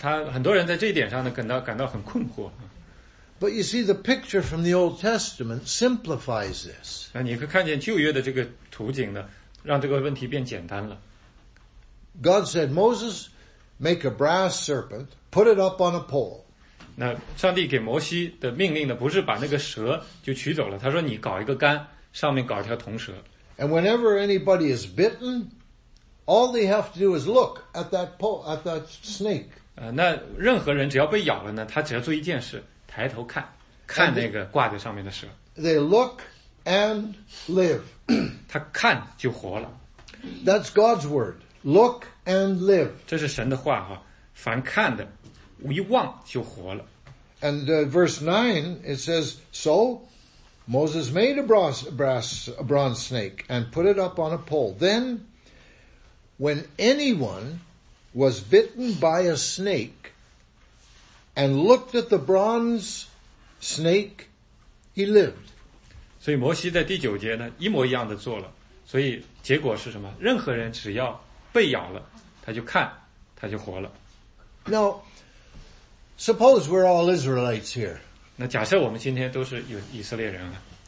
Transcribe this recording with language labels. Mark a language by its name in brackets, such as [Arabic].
[Chinese] 他很多人在这一点上呢感到很困惑。 [English] But you see, the picture from the Old Testament simplifies this. [Chinese] 那你会看见旧约的这个图景呢，让这个问题变简单了。 [English] God said, Moses, make a brass serpent, put it up on a pole. [Chinese] 那上帝给摩西的命令呢，不是把那个蛇就取走了，他说你搞一个杆。上面搞一条铜蛇。 [English] And whenever anybody is bitten, all they have to do is look at that pole, at that snake. [Chinese] 那任何人只要被咬了呢，他只要做一件事，抬头看，看那个挂在上面的蛇。 [English] They look and live. [Chinese] 他看就活了。 [English] That's God's word. Look and live. [Chinese] 这是神的话哈，凡看的，一望就活了。 [English] And verse 9, it says, so,Moses made a bronze snake and put it up on a pole. Then, when anyone was bitten by a snake and looked at the bronze snake, he lived. [Chinese] 所以摩西在第九节呢，一模一样的做了。所以结果是什么？任何人只要被咬了，他就看，他就活了。 [English] Now, suppose we're all Israelites here. [Chinese] 那假设我们今天都是以色列人啊。